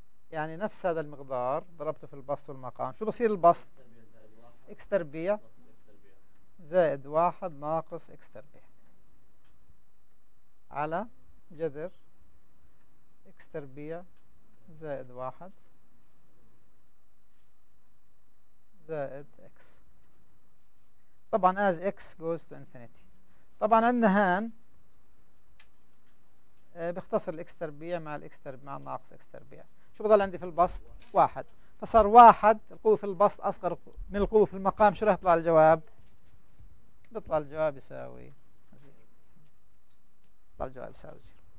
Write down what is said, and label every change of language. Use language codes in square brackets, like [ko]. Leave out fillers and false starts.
[ar] يعني نفس هذا المقدار ضربته في البسط والمقام، شو بصير البسط؟ x تربيع زائد واحد ناقص x تربيع على جذر x تربيع زائد واحد زائد x. [en] طبعا as x goes to infinity. [ar] طبعا عندنا هان بيختصر الاكس تربيع مع الاكس تربيع مع ناقص اكس تربيع، شو بضل عندي في البسط؟ واحد، فصار واحد القوة في البسط أصغر من القوة في المقام، شو راح يطلع الجواب؟ بيطلع الجواب يساوي زيرو، بيطلع الجواب يساوي زيرو.